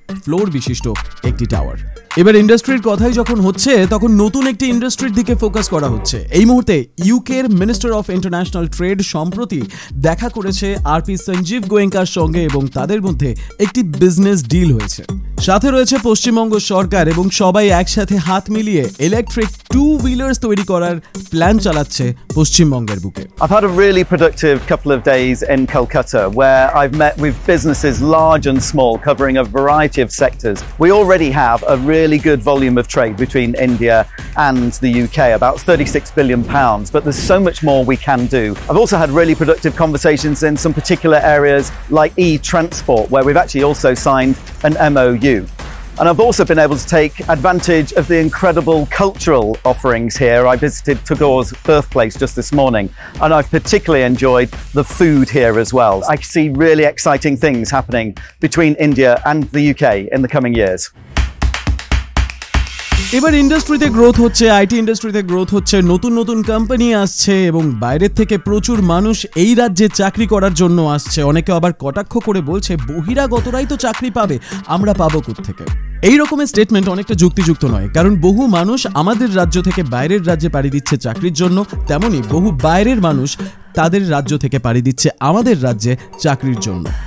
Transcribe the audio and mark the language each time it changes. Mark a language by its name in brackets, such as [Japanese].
[Bangla] Floor বিশিষ্ট একটি tower এবার ইন্ডাস্ট্রির কথাই যখন হচ্ছে তখন নতুন একটি ইন্ডাস্ট্রির দিকে ফোকাস করা হচ্ছে এই মুহূর্তে ইউকের মিনিস্টার অফ ইন্টারন্যাশনাল ট্রেড সম্প্রতি দেখা করেছে আরপি সঞ্জীব গোয়েঙ্কার সঙ্গে এবং তাদের মধ্যে একটি বিজনেস ডিল হয়েছে সাথে রয়েছে পশ্চিমবঙ্গ সরকার এবং সবাই একসাথে হাত মিলিয়ে ইলেকট্রিক টু হুইলার্স তৈরি করার প্ল্যান চালাচ্ছে পশ্চিমবঙ্গের বুকে [English] I've had a really productive couple of days in Kolkata where I've met with businesses large and small covering a variety lucrative sectors. We already have a really good volume of trade between India and the UK, about £36 billion, but there's so much more we can do. I've also had really productive conversations in some particular areas like e-transport, where we've actually also signed an MOU. And I've also been able to take advantage of the incredible cultural offerings here. I visited Tagore's birthplace just this morning, and I've particularly enjoyed the food here as well. I see really exciting things happening between India and the UK in the coming years. [Bangla] এবার ইন্ডাস্ট্রিতে growth হচ্ছে, IT ইন্ডাস্ট্রিতে growth হচ্ছে, নতুন নতুন company আসছে এবং বাইরের থেকে প্রচুর মানুষ এই রাজ্যে চাকরি করার জন্য আসছে। অনেকে আবার কটাক্ষ করে বলছে, বহিরাগতরাই তো চাকরি পাবে, আমরা পাবো কোত্থেকে। এই রকমের স্টেটমেন্ট অনেকটা যুক্তিযুক্ত নয়, কারণ বহু মানুষ আমাদের রাজ্য থেকে বাইরের রাজ্যে পাড়ি দিচ্ছে চাকরির জন্য, তেমনই বহু বাইরের মানুষ তাদের রাজ্য থেকে পাড়ি দিচ্ছে আমাদের রাজ্যে চাকরির জন্য।